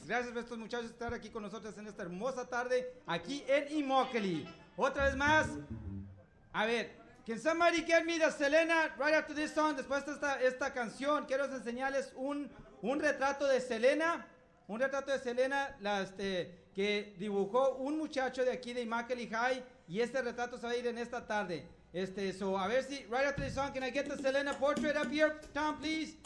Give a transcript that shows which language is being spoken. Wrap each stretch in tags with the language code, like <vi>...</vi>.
<es>Gracias a estos muchachos por estar aquí con nosotros en esta hermosa tarde, aquí en Immokalee. Otra vez más. A ver,</es> <en>can somebody get me the Selena right after this song?</en> <es>Después de esta canción, quiero enseñarles un retrato de Selena. Un retrato de Selena que dibujó un muchacho de aquí de Immokalee High. Y este retrato se va a ir en esta tarde.</es> <en>So</en> <es>a ver si,</es> <en>right after this song, can I get the Selena portrait up here, Tom, please?</en>